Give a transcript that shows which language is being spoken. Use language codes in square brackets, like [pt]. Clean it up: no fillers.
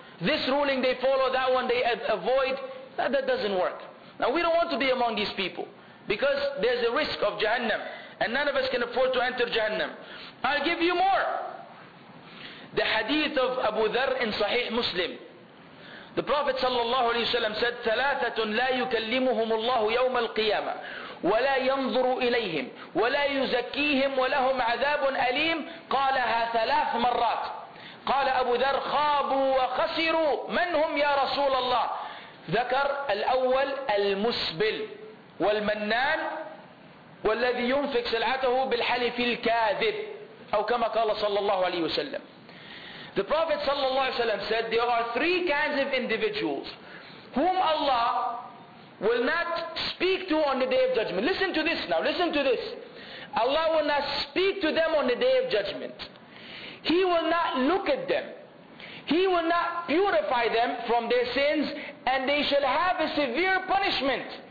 [en] This ruling they follow, that one they avoid. That doesn't work. Now we don't want to be among these people, because there's a risk of Jahannam, and none of us can afford to enter Jahannam. I'll give you more. The hadith of Abu Dharr in Sahih Muslim. The Prophet sallallahu alayhi wa sallam said, [ar] ثَلَاثَةٌ لَا يُكَلِّمُهُمُ اللَّهُ يَوْمَ الْقِيَامَةِ وَلَا يَنْظُرُ إِلَيْهِمْ وَلَا يُزَكِّيهِمْ وَلَهُمْ عَذَابٌ أَلِيمٌ قَالَهَا ثَلَاثْ مَرَّاتٍ قال أبو ذر خابوا وخسروا من هم يا رسول الله ذكر الأول المسبل والمنان والذي ينفق سلعته بالحلف الكاذب أو كما قال صلى الله عليه وسلم. [en] The Prophet صلى الله عليه وسلم said there are three kinds of individuals whom Allah will not speak to on the day of judgment. Listen to this now, listen to this. Allah will not speak to them on the day of judgment. He will not look at them. He will not purify them from their sins, and they shall have a severe punishment.